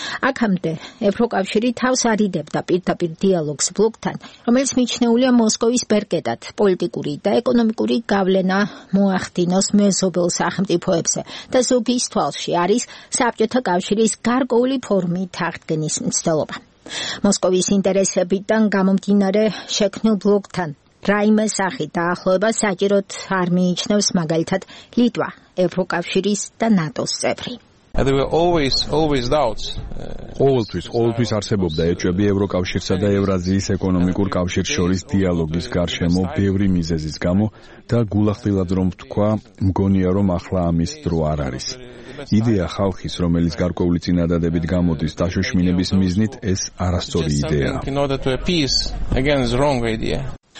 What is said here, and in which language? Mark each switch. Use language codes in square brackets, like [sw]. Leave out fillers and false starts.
[ka] აქამდე ევროკავშირი თავს არიდებდა პირდაპირ დიალოგს ბლოკთან, რომელიც მიჩნეულია მოსკოვის ბერკეტად პოლიტიკური და ეკონომიკური გავლენა მოახდინოს მეზობელ სახელმწიფოებზე და ზოგის თვალში არის საბჭოთა კავშირის გარკვეული ფორმით აღდგენის მცდელობა. მოსკოვის ინტერესებიდან გამომდინარე შექმნილ ბლოკთან რაიმე სახით დაახლოება საჭიროდ არ მიიჩნევს მაგალითად ლიტვა ევროკავშირის და ნატოს წევრი. [en] And there were always doubts. [ka] ყოველთვის არსებობდა ეჭვები ევროკავშირსა და ევრაზიის ეკონომიკურ კავშირს შორის დიალოგის გარშემო ბევრი მიზეზის გამო და გულახდილად რომ ვთქვა, მგონია რომ ახლა ამის დრო არ არის. იდეა ხალხის, რომელიც გარკვეული წინადადებით გამოდის დაშოშმინების მიზნით, ეს არასწორი იდეაა.